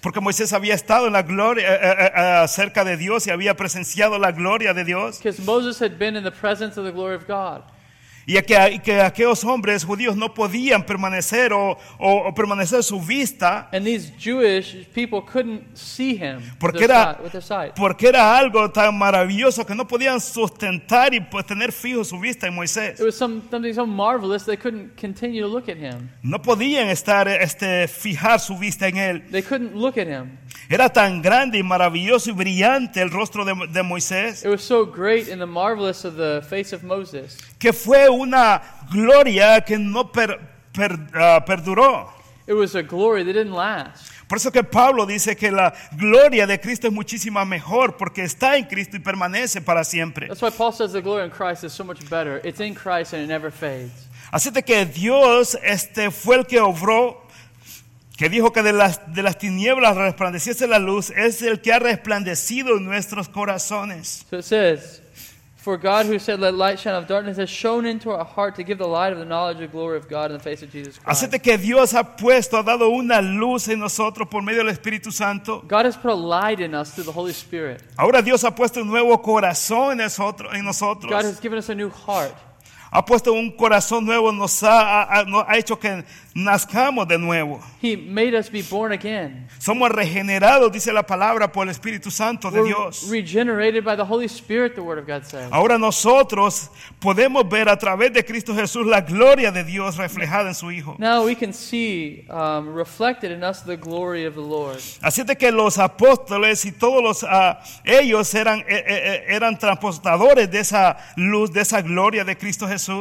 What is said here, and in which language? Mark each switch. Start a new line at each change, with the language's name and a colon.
Spanish: Porque Moisés había estado en la gloria cerca de Dios y había presenciado la gloria de Dios.
English: Because Moses had been in the presence of the glory of God.
Spanish: Y que aquellos hombres judíos no podían permanecer o permanecer su vista.
English: And these Jewish people couldn't see him with their sight.
Spanish: Porque era algo tan maravilloso que no podían sustentar y tener fijo su vista en Moisés.
English: It was something so marvelous they couldn't continue to look at him.
Spanish: No podían estar fijar su vista en él.
English: They couldn't look at him.
Spanish: Era tan grande y maravilloso y brillante el rostro de Moisés.
English: It was so great and the marvelous of the face of Moses.
Spanish: que fue una gloria que no perduró.
English: It was a glory that didn't last.
Spanish: Por eso que Pablo dice que la gloria de Cristo es muchísima mejor porque está en Cristo y permanece para siempre.
English: That's why Paul says the glory in Christ is so much better. It's in Christ and it never fades.
Spanish: Así de que Dios fue el que obró, que dijo que de las tinieblas resplandeciese la luz, es el que ha resplandecido en nuestros corazones.
English: So it says, for God who said let light shine out of darkness has shone into our heart to give the light of the knowledge of the glory of God in the face of Jesus Christ.
Spanish: Así de que Dios ha dado una luz en nosotros por medio del Espíritu Santo.
English: God has put a light in us through the Holy Spirit.
Spanish: Ahora Dios ha puesto un nuevo corazón en nosotros.
English: God has given us a new heart.
Spanish: Ha puesto un corazón nuevo, nos ha hecho que nazcamos de nuevo.
English: He made us be born again.
Spanish: Somos regenerados, dice la palabra, por el Espíritu Santo de Dios.
English: We're regenerated by the Holy Spirit, the Word of God says.
Spanish: Ahora nosotros podemos ver a través de Cristo Jesús la gloria de Dios reflejada en su Hijo.
English: Now we can see reflected in us the glory of the Lord.
Spanish: Así de que los apóstoles y todos ellos eran transportadores de esa luz, de esa gloria de Cristo Jesús.